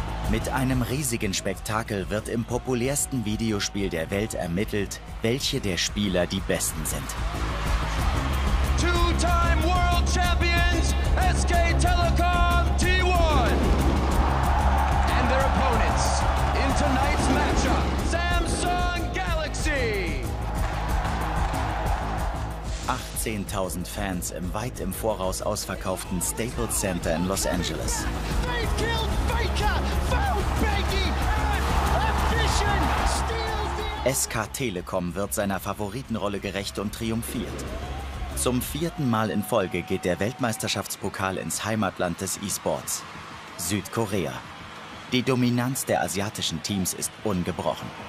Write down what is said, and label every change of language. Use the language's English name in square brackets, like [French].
[German] Mit einem riesigen Spektakel wird im populärsten Videospiel der Welt ermittelt, welche der Spieler die besten sind. [English] Two-time World Champions, SK Telecom T1. And their opponents in tonight's matchup, Samsung Galaxy. [German] 18.000 Fans im weit im Voraus ausverkauften Staples Center in Los Angeles. [English] Fake killed Faker, found Biggie, and Efficient steals the... [German] SK Telecom wird seiner Favoritenrolle gerecht und triumphiert. Zum 4. Mal in Folge geht der Weltmeisterschaftspokal ins Heimatland des E-Sports, Südkorea. Die Dominanz der asiatischen Teams ist ungebrochen.